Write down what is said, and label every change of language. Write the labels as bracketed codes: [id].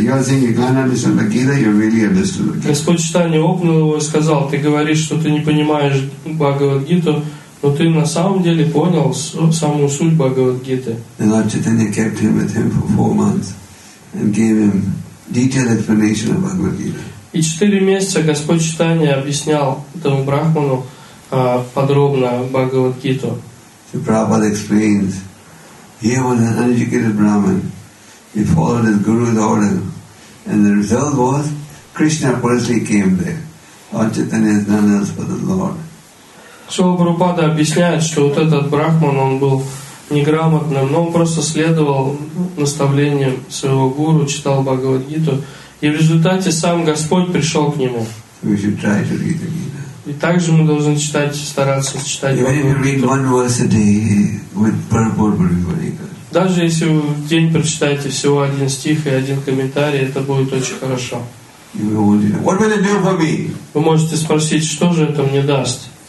[en] You are saying you can't understand the Gita, you really understood the Gita. [ru] Господь Читания обнял его и сказал, ты говоришь, что ты не понимаешь Бхагавад-гиту, но ты на самом деле понял саму суть Бхагавад-гиты. [en] The Lord Chaitanya kept him with him for 4 months and gave him detailed explanation of Bhagavad-gita. [ru] И 4 месяца Господь Читания объяснял этому брахману подробно Бхагавад-гиту. [en] So Prabhupada explains, he was an uneducated Brahman. He followed his guru's order, and the result was Krishna personally came there. Lord Chaitanya is none else but the Lord. [ru] Шрила Прабхупада объясняет, что вот этот брахман он был неграмотным, но он просто следовал наставлениям своего гуру, читал Бхагавад-гиту, и в результате сам Господь пришел к нему. [en] We should try to read the Gita. [ru] И также мы должны читать, стараться читать. [en] Even if you read one verse a day with purport. [ru] Даже если вы в день прочитаете всего один стих и один комментарий, это будет очень хорошо. Вы можете спросить, что же это мне даст?